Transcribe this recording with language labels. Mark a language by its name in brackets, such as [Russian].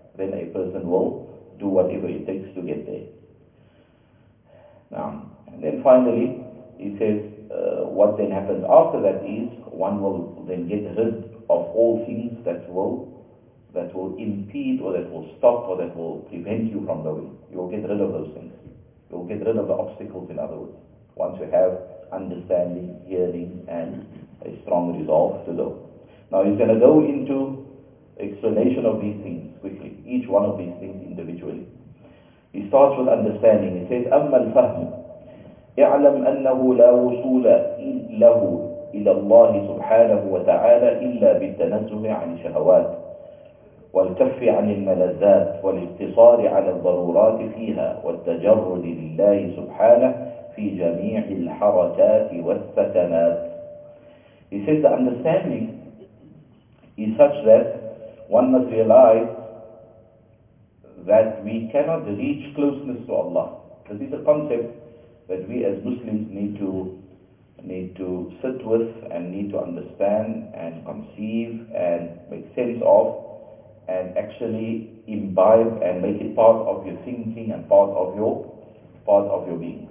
[English] Then a person will do whatever it takes to get there. Now, and then finally, he says, what then happens after that is, one will then get rid of all things that will impede or that will stop or that will prevent you from going. You will get rid of those things. You will get rid of the obstacles, in other words, once you have understanding, hearing, and a strong resolve to go. Now he's going to go into explanation of these things quickly, each one of these things individually. He starts with understanding. He says, [Arabic] أَمَّا الْفَهْمُ اِعْلَمْ أَنَّهُ لَا وُصُولَ لَهُ إِلَى اللَّهِ سُبْحَانَهُ وَتَعَالَى إِلَّا بِالتَّنَزُّهِ عَنِ الشَّهَوَاتِ وَالْكَفِّ عَنِ الْمَلَذَّاتِ وَالْاِقْتِصَارِ عَلَى الضَّرُورَاتِ فِيهَا وَالتَّجَرُّدِ لِلَّهِ سُبْحَانَهُ فِي جَمِيعِ الْحَرَكَاتِ وَالسَّكَنَاتِ. [English] He says the understanding is such that one must realize that we cannot reach closeness to Allah. This is a concept that we as Muslims need to sit with and need to understand and conceive and make sense of and actually imbibe and make it part of your thinking and part of your being.